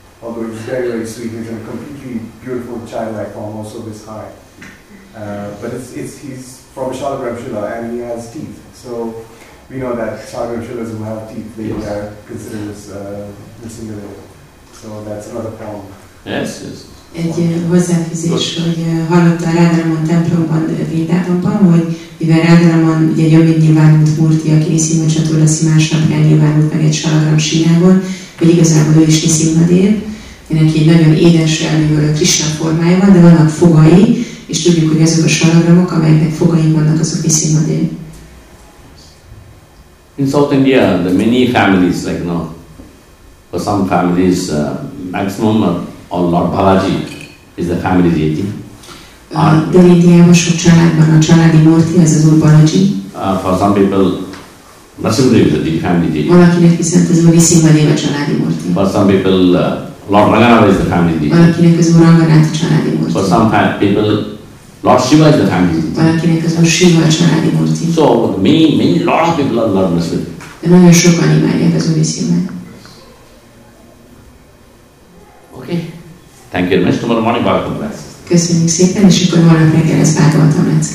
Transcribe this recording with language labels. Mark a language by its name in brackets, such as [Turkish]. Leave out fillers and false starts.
[English] Although he's very, very sweet, he's a completely beautiful childlike form, also this high. But he's from Shalagram Shila and he has teeth. So we know that Shalagram Shilas who have teeth, they are considered as Narasimhadev. So that's another form. Yes. [Hungarian] Egy hozzáfűzés, hogy hallotta a Radharaman templomban, Vrindavanban, hogy mivel Radharaman egy önmegnyilvánult murti, aki Narasimha Chaturdashi másnapján nyilvánult meg egy Shalagram Shilában, hogy igazából ő is Narasimhadev, neki egy nagyon édes, amivel a Krishna formája van, de vannak fogai, és tudjuk, hogy azok a Shalagramok, amelyek fogai vannak, azok Narasimhadev. [English] In South India, the many families, like now, for some families, maximum or Lord Balaji is the family deity. [Hungarian] De Indiában sok családban a családi murti, ez az Úr Balaji. [English] For some people, Narasimhadev is the family deity. [Hungarian] Valakinek viszont az Úr Narasimhadev a családi murti. [English] For some people, Lord Ranganatha is the family deity. [Hungarian] Valakinek az Úr Ranganatha a családi murti. [English] For some people, Lord Shiva is the family deity. [Hungarian] Valakinek az Úr Shiva a családi murti. [English] So many lot of people are Lord Narasimhadev. [Hungarian] De nagyon sokan imádják az Úr Narasimhadev. [English] Okay. Thank you very much. Tomorrow morning, Bhagavatam class. [Hungarian] Köszönjük szépen, és akkor holnap reggel lesz Bhagavatam class.